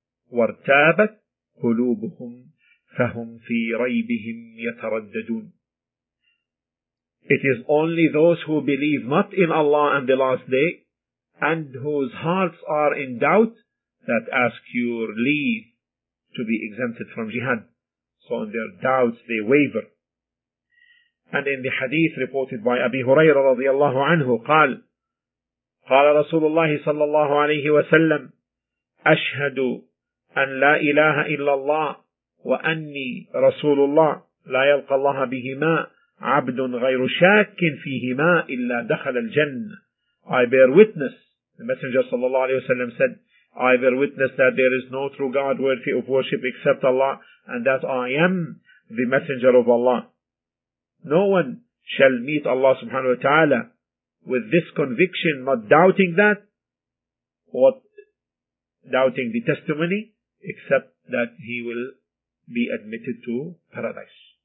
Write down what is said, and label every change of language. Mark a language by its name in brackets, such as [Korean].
[Arabic] وارتابت قلوبهم فَهُمْ فِي رَيْبِهِمْ يَتَرَدَّدُونَ. [English] It is only those who believe not in Allah and the last day, and whose hearts are in doubt, that ask your leave to be exempted from jihad. So in their doubts they waver. And in the hadith reported by Abi Huraira [Arabic] رضي الله عنه, قال رسول الله صلى الله عليه وسلم, أشهد أن لا إله إلا الله وأني رسول الله لا يلقى الله بهما عبد غير شاك فيهما إلا دخل الجنة. [English] I bear witness, the Messenger [Arabic] صلى الله عليه وسلم [English] said, I bear witness that there is no true God worthy of worship except Allah, and that I am the Messenger of Allah. No one shall meet Allah subhanahu wa ta'ala with this conviction, not doubting that, or doubting the testimony, except that he will be admitted to paradise.